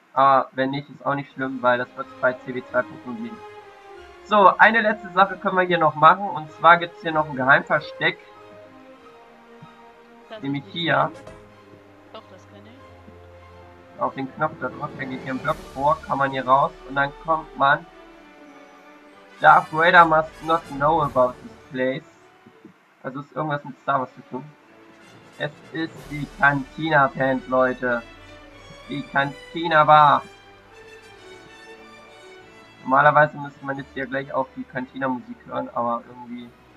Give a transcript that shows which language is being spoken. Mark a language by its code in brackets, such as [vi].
[de] Aber wenn nicht, ist auch nicht schlimm, weil das wird bei CW2.0 gehen. So, eine letzte Sache können wir hier noch machen. Und zwar gibt es hier noch ein Geheimversteck. Nämlich hier. Doch, das kann ich. Auf den Knopf da drauf, der geht hier im Block vor, kann man hier raus und dann kommt man. [en] Darth Vader must not know about this place. [de] Also ist irgendwas mit Star Wars zu tun. Es ist die Cantina Band, Leute. Die Cantina Bar. Normalerweise müsste man jetzt hier gleich auch die Cantina Musik hören, aber irgendwie.